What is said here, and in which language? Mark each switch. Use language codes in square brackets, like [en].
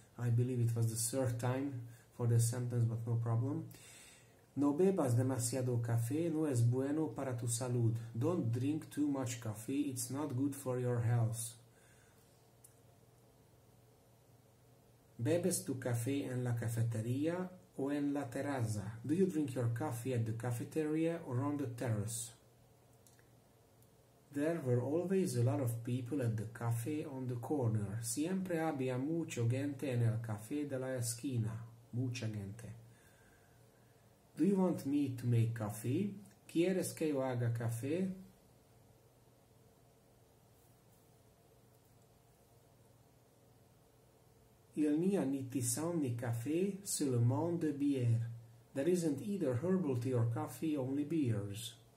[en] I believe it was the third time for the sentence, but no problem. [es] No bebas demasiado café, no es bueno para tu salud. [en] Don't drink too much coffee, it's not good for your health. [es] Bebes tu café en la cafeteria o en la terraza? [en] Do you drink your coffee at the cafeteria or on the terrace? There were always a lot of people at the cafe on the corner. [es] Siempre había mucho gente en el café de la esquina. Mucha gente. [en] Do you want me to make coffee? [es] ¿Quieres que yo haga café? [fr] Il n'y a ni tisane ni café, seulement de bière. [en] There isn't either herbal tea or coffee, only beers.